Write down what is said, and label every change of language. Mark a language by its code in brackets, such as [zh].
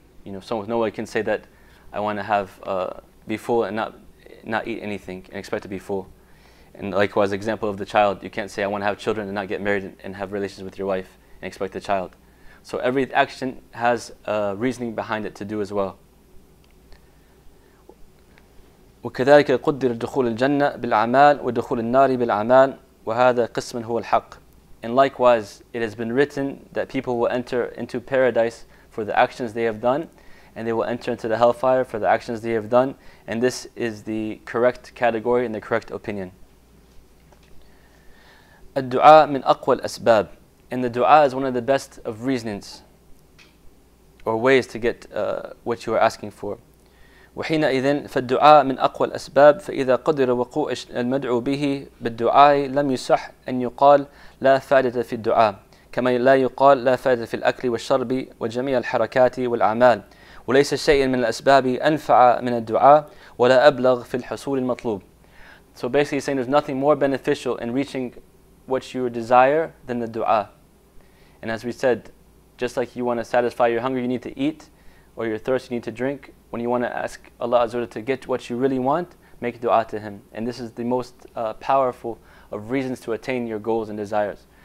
[en] You know, no one can say that I want to be full and not eat anything and expect to be full. And likewise, example of the child, you can't say I want to have children and not get married and have relations with your wife and expect the child. So every action has a reasoning behind it to do as well. [ar] وكذلك قدر دخول الجنة بالأعمال ودخول النار بالأعمال وهذا قسم هو الحق. [en] And likewise, it has been written that people will enter into paradise for the actions they have done, and they will enter into the hellfire for the actions they have done. And this is the correct category and the correct opinion. [ar] الدعاء من أقوى الأسباب. [en] And the du'a is one of the best of reasonings or ways to get what you are asking for. [ar] وحينئذ فالدعاء من أقوى الأسباب فإذا قدر وقوع المدعو به بالدعاء لم يصح أن يقال لا فائدة في الدعاء كما لا يقال لا فائدة في الأكل والشرب وجميع الحركات والأعمال وليس شيء من الأسباب أنفع من الدعاء ولا أبلغ في الحصول المطلوب. [en] So basically he's saying there's nothing more beneficial in reaching what you desire than the dua. And as we said, just like you want to satisfy your hunger, you need to eat, or your thirst, you need to drink. When you want to ask Allah Azza wa Jalla to get what you really want, make dua to Him. And this is the most powerful of reasons to attain your goals and desires.